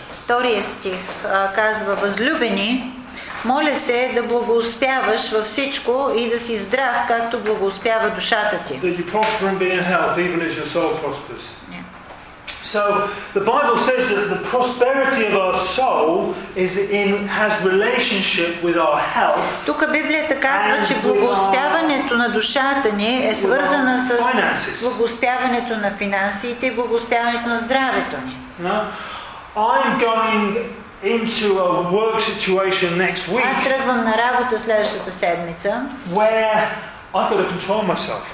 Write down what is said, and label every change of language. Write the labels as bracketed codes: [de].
[bg] Вторият стих казва, възлюбени, моля се да благоуспяваш във всичко и да си здрав, както благоуспява душата ти. [en] That you prosper and be in health, even as your soul prospers. So the Bible says that the prosperity of our soul is in has relationship with our health. [bg] Тука Библията казва, че благоуспяването на душата ни е свързано с благоуспяването на финансите и благоуспяването на здравето ни. [en] I'm going into a work situation next week. [bg] Аз тръгвам на работа следващата седмица. [en] Where I've got to control myself.